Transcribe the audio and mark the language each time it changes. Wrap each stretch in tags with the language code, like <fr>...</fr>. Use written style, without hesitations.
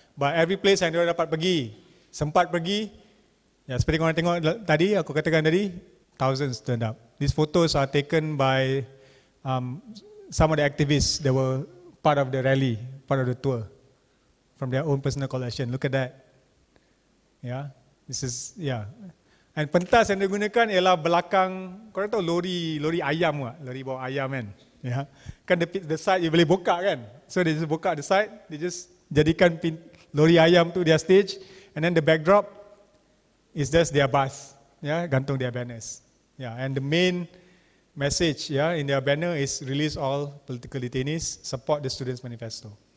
<en>But every place</en> <ms>yang mereka dapat pergi, sempat pergi. Ya, seperti korang tengok tadi, aku katakan tadi,</ms> <en>thousands turned up. These photos are taken by some of the activists that were part of the rally, part of the tour, from their own personal collection. Look at that. Yeah, this is, yeah.</en> <ms>And pentas yang digunakan ialah belakang, korang tahu lori ayam ke? Lori bawa ayam, kan? Yeah. Kan</ms> <en>the side,</en> <ms>you boleh buka, kan?</ms> <en>So they just buka the side, they just</en> <ms>jadikan lori ayam tu</ms> <en>their stage, and then the backdrop, it's just their bus, yeah,</en> <ms>gantung</ms> <en>their banners. Yeah, and the main message, yeah, in their banner is release all political detainees, support the Students Manifesto.</en>